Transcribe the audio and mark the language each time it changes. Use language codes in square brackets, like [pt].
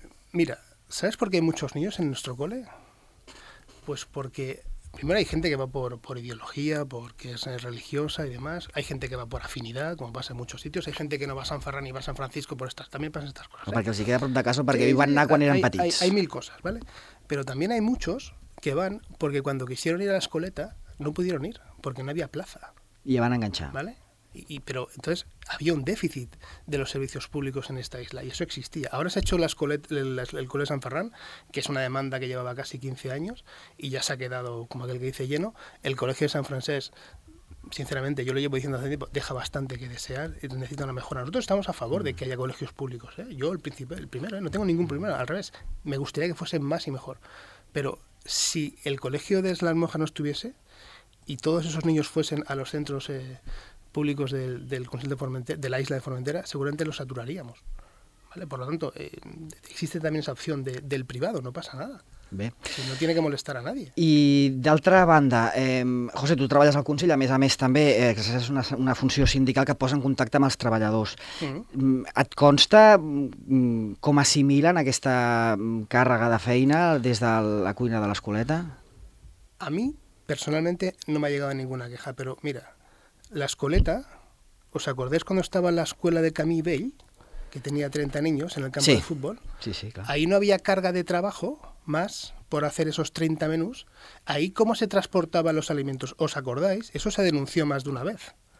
[es] Mira, ¿sabes por qué hay muchos niños en nuestro cole? Pues porque, primero, hay gente que va por ideología, porque es religiosa y demás, hay gente que va por afinidad, como pasa en muchos sitios, hay gente que no va a San Ferran ni va a San Francisco, también pasan estas cosas. [ca] O perquè els hi queda prop de casa, perquè van anar quan eren petits. [es] Hay mil cosas, ¿vale? Pero también hay muchos que van porque cuando quisieron ir a la escoleta, no pudieron ir porque no había plaza. Y ya van a enganchar. ¿Vale? Pero entonces había un déficit de los servicios públicos en esta isla y eso existía. Ahora se ha hecho el cole San Ferran, que es una demanda que llevaba casi 15 años y ya se ha quedado, como aquel que dice, lleno. El colegio de San Francés, sinceramente, yo lo llevo diciendo hace tiempo, deja bastante que desear y necesita una mejora. Nosotros estamos a favor de que haya colegios públicos, ¿eh? Yo el primero, ¿eh? No tengo ningún problema, al revés. Me gustaría que fuesen más y mejor. Pero si el colegio de Las Monjas no estuviese y todos esos niños fuesen a los centros públicos del Consell de Formentera, de la isla de Formentera, seguramente los saturaríamos, ¿vale? Por lo tanto, existe también esa opción del privado, no pasa nada. [ca] Bé. [es] No tiene que molestar a nadie. [ca] I d'altra banda, José, tu treballes al Consell, a més també exerceixes una funció sindical que et posa en contacte amb els treballadors. Uh-huh. Et consta com assimilen aquesta càrrega de feina des de la cuina de l'Escoleta? [es] A mi, personalmente, no me ha llegado ninguna queja, pero mira, l'Escoleta, ¿os acordáis cuando estaba en la escuela de Camí Vell, que tenía 30 niños en el campo sí. de fútbol? Sí, sí, claro. Ahí no había carga de trabajo más por hacer esos 30 menús. Ahí, ¿cómo se transportaban los alimentos? ¿Os acordáis? Eso se denunció más de una vez.